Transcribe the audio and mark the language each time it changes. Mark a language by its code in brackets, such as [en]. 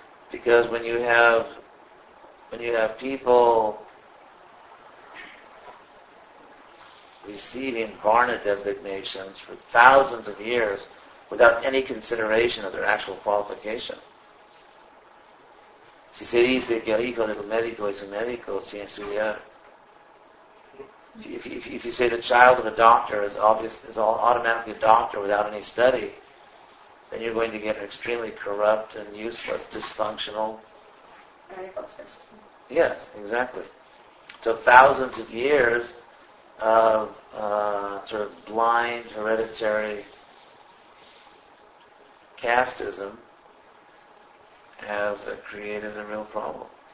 [en] Because when you have people receiving Varna designations for thousands of years without any consideration of their actual qualification. [es] Si se dice que el hijo del médico es un médico sin estudiar. [en] If you say the child of a doctor is automatically a doctor without any study, then you're going to get an extremely corrupt and useless, dysfunctional system. Yes, exactly. So thousands of years of sort of blind hereditary casteism has created a real problem.